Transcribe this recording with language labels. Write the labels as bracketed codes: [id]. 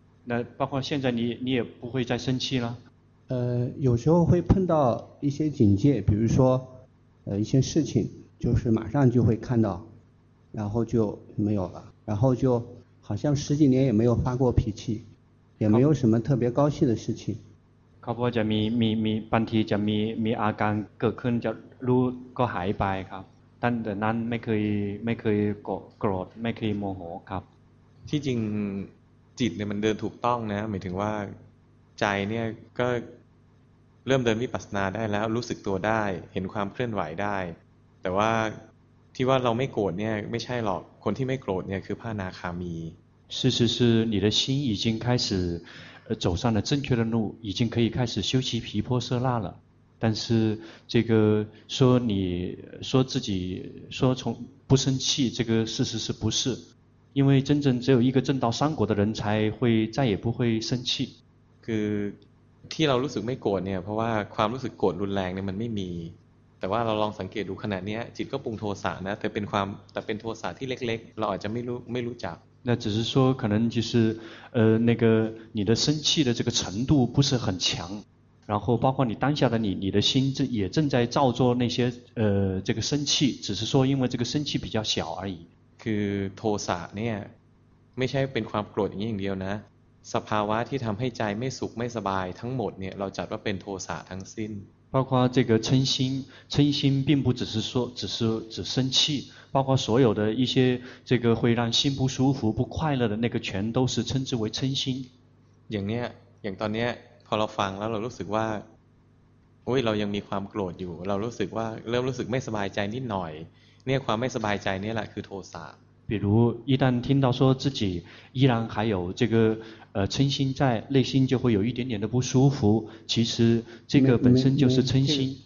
[zh] 那包括现在你也不会再生气了有时候会碰到一些警戒，比如说，一些事情，就是马上就会看到，然后就没有了，然后就好像十几年也没有发过脾气，也没有什么特别高兴的事情。 [th] ครับว่าจะมีบางทีจะมีอาการเกิดขึ้นจะรู้ก็หายไปครับ [zh] 但 [th] แต่นั้นไม่เคยโกรธไม่เคยโมโหครับ ที่จริงจิตเนี่ยมันเดินถูกต้องนะหมายถึงว่าใจเนี่ยก็เริ่มเดินวิปัสสนาได้แล้วรู้สึกตัวได้เห็นความเคลื่อนไหวได้แต่ว่าที่ว่าเราไม่โกรธเนี่ยไม่ใช่หรอกคนที่ไม่โกรธเนี่ยคือพระอนาคามี [zh] 是是是你的心已经开始走上了正确的路已经可以开始修习毗婆舍那了但是这个说你说自己说从不生气这个事实是不是因为真正只有一个证到三果的人才会再也不会生气 [th] คือที่เรารู้สึกไม่โกรธเนี่ยเพราะว่าความรู้สึกโกรธรุนแรงเนี่ยมันไม่มีแต่ว่าเราลองสังเกตดูขณะนี้จิตก็ปรุงโทสะนะแต่เป็นโทสะที่เล็กๆเราอาจจะไม่รู้จัก [zh] 那只是说可能就是那个你的生气的这个程度不是很强然后包括你当下的你的心也正在照做那些这个生气只是说因为这个生气比较小而已 [th] คือโทสะเนี่ยไม่ใช่เป็นความโกรธอย่างเดียวนะสภาวะที่ทำให้ใจไม่สุขไม่สบายทั้งหมดเนี่ยเราจัดว่าเป็นโทสะทั้งสิ้น [zh] 包括这个嗔心并不只生气包括所有的一些这个会让心不舒服不快乐的那个全都是称之为嗔心 [th] อย่างเนี้ยอย่างตอนเนี้ยพอเราฟังแล้วเรารู้สึกว่าโอ้ยเรายังมีความโกรธอยู่เรารู้สึกว่าเริ่มรู้สึกไม่สบายใจนิดหน่อยเนี่ยความไม่สบายใจนี่แหละคือโทสะ [zh] 比如一旦听到说自己依然还有这个嗔心在内心就会有一点点的不舒服其实这个本身就是嗔心